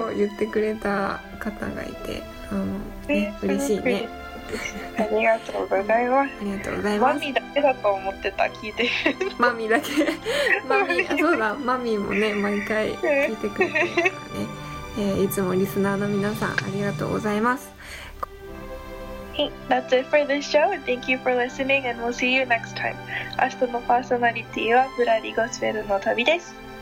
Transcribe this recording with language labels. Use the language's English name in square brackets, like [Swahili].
[Japanese] そう、言ってくれた方がいて、あの、ね、嬉しいね。ありがとうございます。ありがとうございます。マミだけだと思ってた、聞いてる。マミだけ。マミ、そうだ、マミもね、毎回聞いてくれてるからね。いつもリスナーの皆さん、ありがとうございます。 [English] Hey, that's it for this show. Thank you for listening and we'll see you next time. [Japanese] 明日のパーソナリティはぶらりゴスペルの旅です。